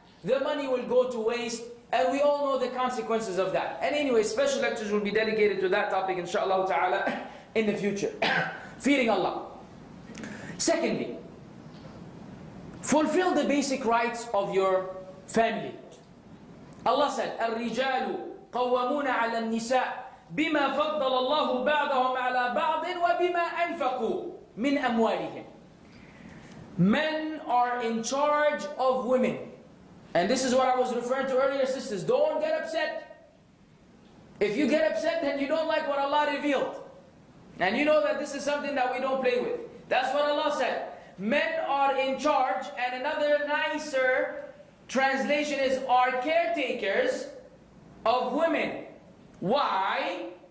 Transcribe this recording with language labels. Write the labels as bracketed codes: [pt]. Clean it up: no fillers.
[en] The money will go to waste. And we all know the consequences of that. And anyway, special lectures will be dedicated to that topic, inshallah ta'ala, in the future. Fearing Allah. Secondly, fulfill the basic rights of your family. Allah said, [ar] الرِّجَالُ قَوَّمُونَ عَلَى النِّسَاءِ بِمَا فَضَّلَ اللَّهُ بَعْضَهُمْ عَلَى بَعْضٍ وَبِمَا أَنْفَقُوا مِنْ أَمْوَالِهِمْ. [en] Men are in charge of women. And this is what I was referring to earlier, sisters. Don't get upset. If you get upset, then you don't like what Allah revealed. And you know that this is something that we don't play with. That's what Allah said. Men are in charge, and another nicer translation is are caretakers of women. Why?